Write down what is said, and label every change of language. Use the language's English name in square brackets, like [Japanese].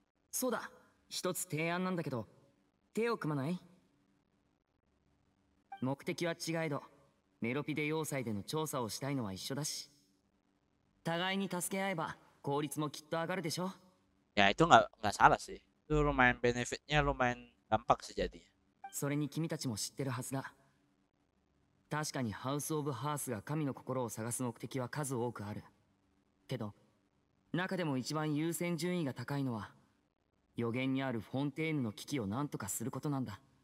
[Japanese] そうだ、一つ提案なんだけど、手を組まない？目的は違えど、メロピデ要塞での調査をしたいのは一緒だし、互いに助け合えば効率もきっと上がるでしょ。 [Indonesian] いや、itu nggak salah sih. Itu lumayan benefitnya lumayan dampak sih jadinya. [Japanese] それに君たちも知ってるはずだ。確かにハウスオブハースが神の心を探す目的は数多くあるけど、中でも一番優先順位が高いのは予言にあるフォンテーヌの危機を何とかすることなんだ。